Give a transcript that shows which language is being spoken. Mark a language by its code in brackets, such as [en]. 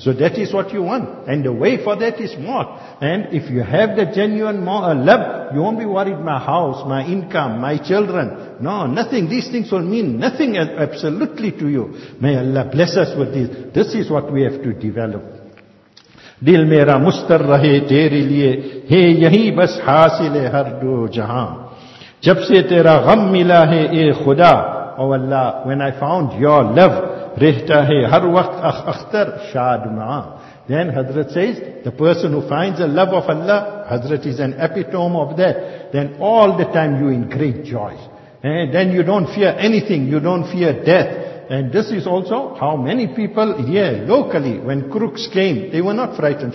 [en] So that is what you want. And the way for that is mort. And if you have the genuine love, you won't be worried, my house, my income, my children. No, nothing. These things will mean nothing absolutely to you. May Allah bless us with this. This is what we have to develop. [ur] دل میرا مستر رہے تیرے لیے ہے یہی بس حاصل ہر دو جہاں جب سے تیرا غم ملا ہے اے خدا او اللہ [en] when I found your love [ur] رہتا ہے ہر وقت Akhtar Shadman. [en] Then Hazrat says, the person who finds the love of Allah, Hazrat is an epitome of that. Then all the time you in great joy. And then you don't fear anything. You don't fear death. And this is also how many people here locally, when crooks came, they were not frightened.